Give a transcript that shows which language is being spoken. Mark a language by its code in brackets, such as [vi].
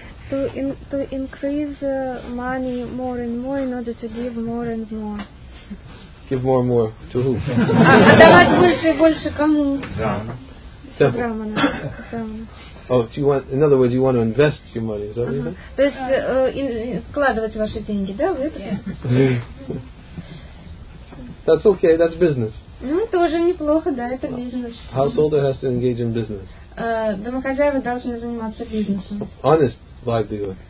[en] To increase money more and more in order to give more and more. Give more and more to who? [ru] А давать больше и больше кому? Брахмана. [en] Oh, do you want? In other words, you want to invest your money, is that what you mean? [ru] То есть вкладывать ваши деньги, да, в это? [en] That's okay, that's business. [ru] Ну, тоже неплохо, да, это бизнес. [en] Householder has to engage in business. [ru] Домохозяева должны заниматься бизнесом. [en] Honest livelihood.